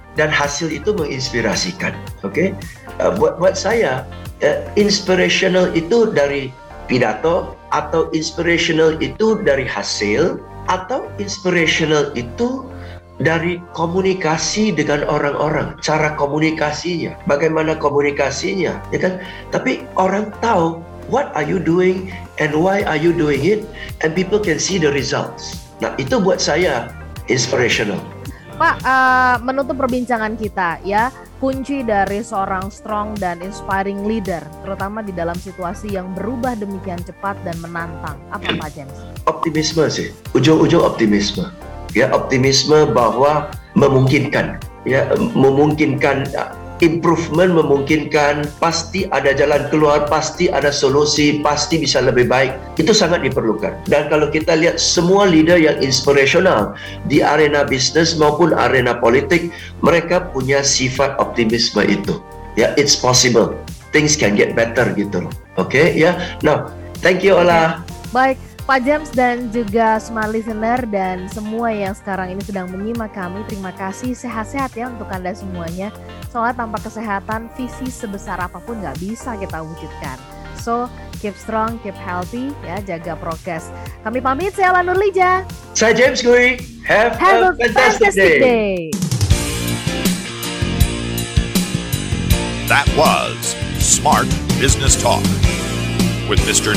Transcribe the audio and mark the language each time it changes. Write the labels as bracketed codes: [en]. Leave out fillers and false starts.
[id] Dan hasil itu menginspirasikan. Oke, buat saya, inspirational itu dari pidato atau inspirational itu dari hasil. Atau inspirational itu dari komunikasi dengan orang-orang, cara komunikasinya, bagaimana komunikasinya, ya kan? Tapi orang tahu [en] what are you doing and why are you doing it, and people can see the results. [id] Nah, itu buat saya inspirational. Pak, menutup perbincangan kita ya, kunci dari seorang strong dan inspiring leader, terutama di dalam situasi yang berubah demikian cepat dan menantang, apa Pak James? Optimisme sih, ujung-ujung optimisme. Ya, optimisme bahwa memungkinkan, ya, memungkinkan improvement, memungkinkan pasti ada jalan keluar, pasti ada solusi, pasti bisa lebih baik. Itu sangat diperlukan. Dan kalau kita lihat semua leader yang inspirational di arena bisnis maupun arena politik, mereka punya sifat optimisme itu. Ya, [en] it's possible. Things can get better [id] gitu loh. Oke, ya. [en] Now, thank you Ola. [id] Baik. Pak James dan juga Smart Listener dan semua yang sekarang ini sedang menyimak kami, terima kasih, sehat-sehat ya untuk Anda semuanya. Soalnya tanpa kesehatan, visi sebesar apapun nggak bisa kita wujudkan. [en] So, keep strong, keep healthy, ya, [id] jaga prokes. Kami pamit, saya Lan Nurlija. Saya [en] James Gui, have a fantastic day. That was Smart Business Talk with Mr.